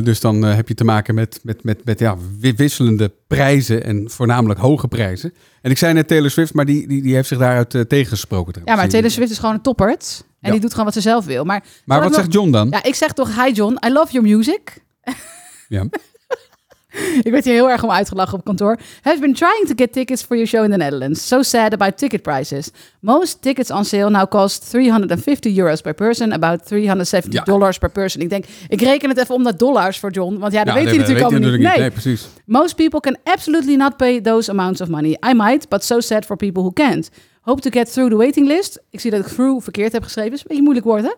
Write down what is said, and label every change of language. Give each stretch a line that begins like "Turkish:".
Dutch: Dus dan heb je te maken met wisselende prijzen en voornamelijk hoge prijzen. En ik zei net Taylor Swift, maar die heeft zich daaruit tegengesproken. Ja, maar Taylor Swift is gewoon een toppert. En die doet gewoon wat ze zelf wil. Maar wat zegt John dan? Ja, ik zeg toch,
English: hi John, I love your music.
Dutch: Ja. Ik werd hier heel erg om uitgelachen op kantoor.
English: Have been trying to get tickets for your show in the Netherlands. So sad about ticket prices. Most tickets on sale now cost €350 per person. About $370 per person.
Dutch: Ik denk, ik reken het even om naar dollars voor John. Want dat weet hij natuurlijk niet. Nee, precies.
English: Most people can absolutely not pay those amounts of money. I might, but so sad for people who can't. Hope to get through the waiting list.
Dutch: Ik zie dat ik through verkeerd heb geschreven. Is een beetje moeilijk woord, hè?